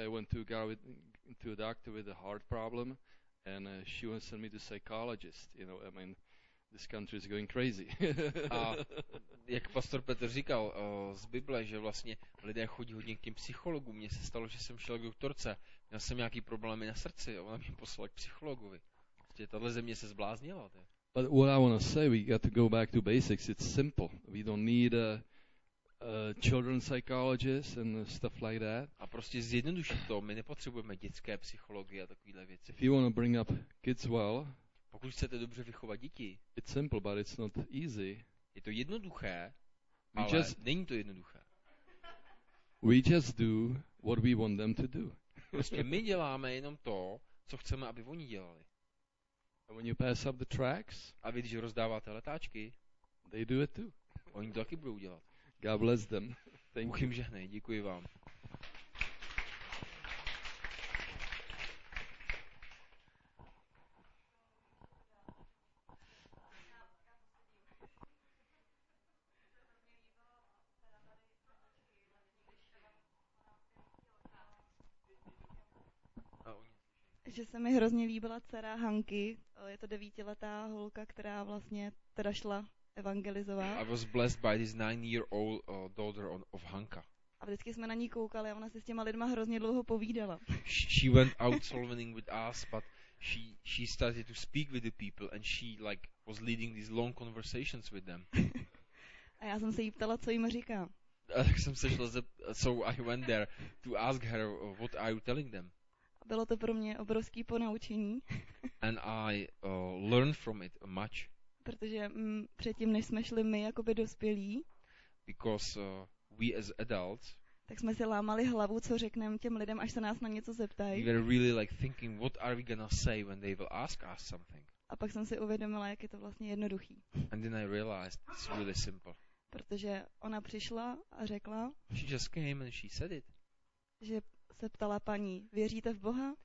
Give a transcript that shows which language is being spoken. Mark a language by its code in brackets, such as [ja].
[en] I went to a guy to a doctor with a heart problem, and she wants to send me to a psychologist. You know, I mean, this country is going crazy. [cs] A jak pastor Petr říkal z Bible, že vlastně lidé chodí hodně k těm psychologům. Mně se stalo, že jsem šel k doktorce, měl jsem nějaký problémy na srdci, a ona mě poslala k psychologovi. Že tato země se zbláznila. Tě. [en] But what I want to say, we got to go back to basics. It's simple. We don't need children psychologists and stuff like that. [cs] A prostě zjednodušit to, my nepotřebujeme dětské psychologie a takovéhle věci. [en] If you want to bring up kids well, [cs] pokud chcete dobře vychovat děti, [en] it's simple, but it's not easy. [cs] Je to jednoduché, ale just, není to jednoduché. [en] We just do what we want them to do. [cs] Prostě my děláme jenom to, co chceme, aby oni dělali. [en] And when you pass up the tracks, [cs] a vy, když rozdáváte letáčky, [en] they do it too. [cs] Oni to taky budou dělat. [en] God bless them. [cs] Bůh jim žehnej, děkuji vám. Že se mi hrozně líbila dcera Hanky, je to 9letá holka, která vlastně teda šla evangelizovat. [en] I was blessed by this 9-year-old daughter of Hanka. [cs] A vždycky jsme na ní koukali a ona se s těma lidma hrozně dlouho povídala. [en] She went out solving with us, but she started to speak with the people and she like was leading these long conversations with them. [cs] A já jsem se jí ptala, co jim říká. Tak jsem se šla, [en] so I went there to ask her, what are you telling them? [cs] Bylo to pro mě obrovský ponaučení. [en] And I learned from it much. [cs] Protože předtím, než jsme šli my jakoby dospělí. [en] Because we as adults. [cs] Tak jsme si lámali hlavu, co řekneme těm lidem, až se nás na něco zeptají. [en] We were really like thinking, what are we gonna say when they will ask us something. [cs] A pak jsem si uvědomila, jak je to vlastně jednoduchý. [en] And then I realized it's really simple. [cs] Protože ona přišla a řekla. [en] She just came and she said it. [cs] Že se ptala paní, věříte v Boha?